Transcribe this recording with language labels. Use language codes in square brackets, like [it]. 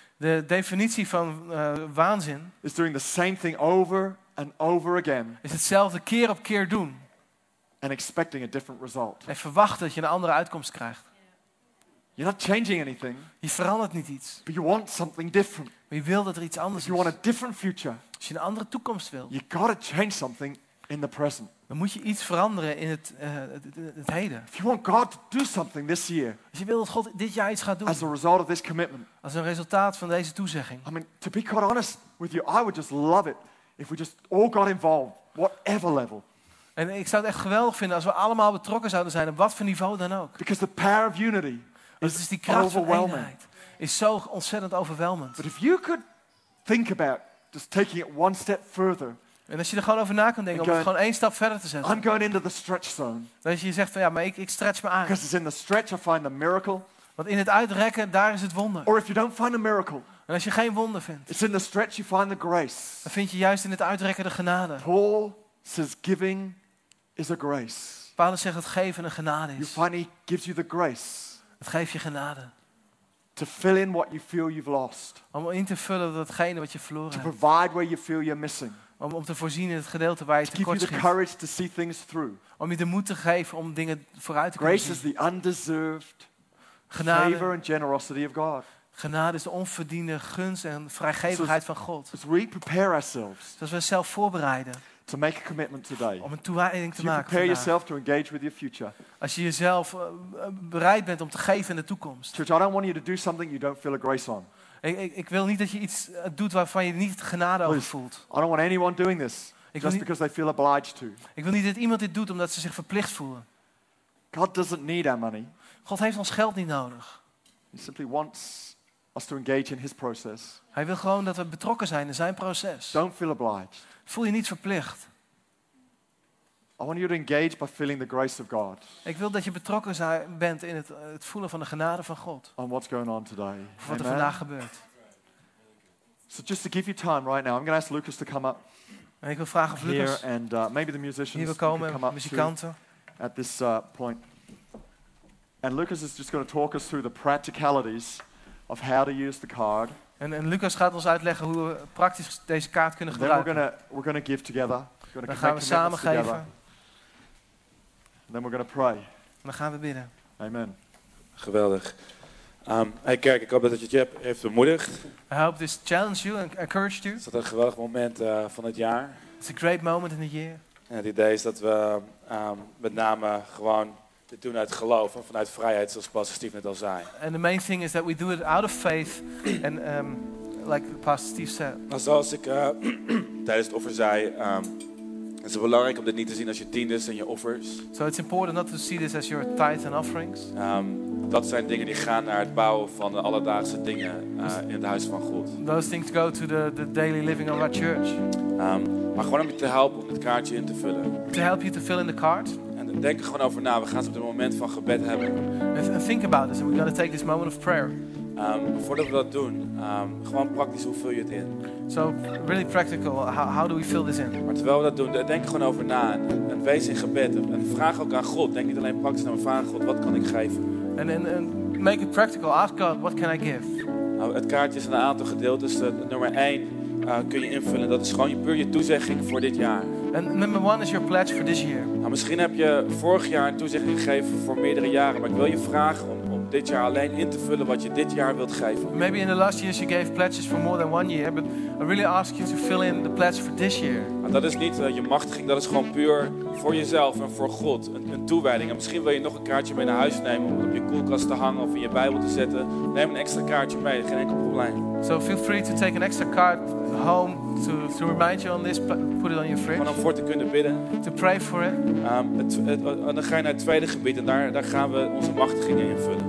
[nl] De definitie van waanzin. [en] Is doing the same thing over and over again. [nl] Is hetzelfde keer op keer doen. [en] And expecting a different result. [nl] En verwachten dat je een andere uitkomst krijgt. [en] You're not changing anything. [nl] Je verandert niet iets. [en] But you want something different. [nl] Maar je wil dat er iets anders is. [en] You want a different future. [nl] Als je een andere toekomst wil. [en] You got to change something. In the present. [nl] Dan moet je iets veranderen in het heden. [en] If you want God to do something this year. [nl] Als je wilt dat God dit jaar iets gaat doen. [en] As a result of this commitment. [nl] Als een resultaat van deze toezegging. [en] I mean, to be quite honest with you, I would just love it if we just all got involved, whatever level. [nl] En ik zou het echt geweldig vinden als we allemaal betrokken zouden zijn op wat voor niveau dan ook. [en] Because the power of unity is [nl] die kracht van eenheid is zo ontzettend overweldigend. [en] But if you could think about just taking it one step further. [nl] En als je er gewoon over na kan denken, om het gewoon één stap verder te zetten. [en] I'm going into the stretch zone. [nl] Dan als je zegt van ja, maar ik stretch me aan. [en] Because it's in the stretch I find the miracle. [nl] Want in het uitrekken daar is het wonder. [en] Or if you don't find a miracle. [nl] En als je geen wonder vindt. [en] It's in the stretch you find the grace. [nl] Dan vind je juist in het uitrekken de genade. [en] Paul says giving is a grace. [nl] Paulus zegt dat geven een genade is. [en] You find he gives you the grace. [nl] Het geeft je genade. [en] To fill in what you feel you've lost. [nl] Om in te vullen datgene wat je verloren hebt. [en] To provide where you feel you're missing. [nl] Om te voorzien in het gedeelte waar je tekort schiet. [en] Courage to see things through. [nl] Om je de moed te geven om dingen vooruit te [en] grace [nl] kunnen zien. [en] Grace is the undeserved [nl] genade, [en] favor and generosity of God. [nl] Genade is de onverdiende gunst en vrijgevigheid van God. [en] As we prepare ourselves. [nl] Zoals we zelf voorbereiden. [en] To make a commitment today. [nl] Om een toewijding te maken. [en] Prepare yourself to engage with your future. [nl] Als je jezelf bereid bent om te geven in de toekomst. [en] Church, I don't want you to do something you don't feel a grace on. [nl] Ik wil niet dat je iets doet waarvan je niet genade over voelt. [en] I don't want anyone doing this just because they feel obliged to. [nl] Ik wil niet dat iemand dit doet omdat ze zich verplicht voelen. [en] God doesn't need our money. [nl] God heeft ons geld niet nodig. [en] He simply wants us to engage in his process. [nl] Hij wil gewoon dat we betrokken zijn in zijn proces. [en] Don't feel obliged. [nl] Voel je niet verplicht. [en] I want you to engage by feeling the grace of God. [nl] Ik wil dat je betrokken bent in het voelen van de genade van God. [en] On what's going on today. [nl] Wat er vandaag gebeurt. [en] So just to give you time right now, I'm going to ask Lucas to come up. [nl] En ik wil vragen of Lucas [en] here and maybe the musicians [nl] hier wil komen, [en] come up [nl] muzikanten. [en] At this point. And Lucas is just going to talk us through the practicalities of how to use the card. [nl] En Lucas gaat ons uitleggen hoe we praktisch deze kaart kunnen gebruiken. [en] Then we're gonna give together. [nl] Dan gaan we samen geven. [en] Then we're gonna pray. [nl] Dan gaan we bidden. [en] Amen. [nl] Geweldig. Hey kerk, ik hoop dat het je heeft bemoedigd. [en] I hope this challenged you and encouraged you. [nl] Is dat een geweldig moment van het jaar? [en] It's a great moment in the year. [nl] En het idee is dat we met name gewoon dit doen uit geloof en vanuit vrijheid, zoals Pastor Steve net al zei. [en] And the main thing is that we do it out of faith and like Pastor Steve said. [nl] Maar zoals ik tijdens het offer zei, het is belangrijk om dit niet te zien als je tiendes en je offers. [en] So it's important not to see this as your tithes and offerings. [nl] Dat zijn dingen die gaan naar het bouwen van de alledaagse dingen in het huis van God. [en] Those things go to the daily living of our church. [nl] Maar gewoon om je te helpen om het kaartje in te vullen. [en] To help you to fill in the card. [nl] En denk er gewoon over na. We gaan het op dit moment van gebed hebben. [en] And think about this. And we're going to take this moment of prayer. [nl] Voordat we dat doen, gewoon praktisch, hoe vul je het in? [en] So, really practical, how do we fill this in? [nl] Maar terwijl we dat doen, denk gewoon over na en wees in gebed en vraag ook aan God. Denk niet alleen praktisch naar me, vraag God, wat kan ik geven? [en] And make it practical, ask God, what can I give? [nl] Het kaartje is een aantal gedeeltes. Nummer 1 kun je invullen, dat is gewoon puur je toezegging voor dit jaar. [en] And number 1 is your pledge for this year. [nl] Misschien heb je vorig jaar een toezegging gegeven voor meerdere jaren, maar ik wil je vragen om dit jaar alleen in te vullen wat je dit jaar wilt geven. [en] Maybe in the last years you gave pledges for more than one year, but I really ask you to fill in the pledge for this year. [nl] Dat is niet je machtiging, dat is gewoon puur voor jezelf en voor God een toewijding. En misschien wil je nog een kaartje mee naar huis nemen om het op je koelkast te hangen of in je Bijbel te zetten. Neem een extra kaartje mee, geen enkel probleem. [en] So feel free to take an extra card home to remind you on this, put it on your fridge. [nl] Gewoon om voor te kunnen bidden. [en] To pray for it. [nl] En dan ga je naar het tweede gebied en daar gaan we onze machtigingen invullen.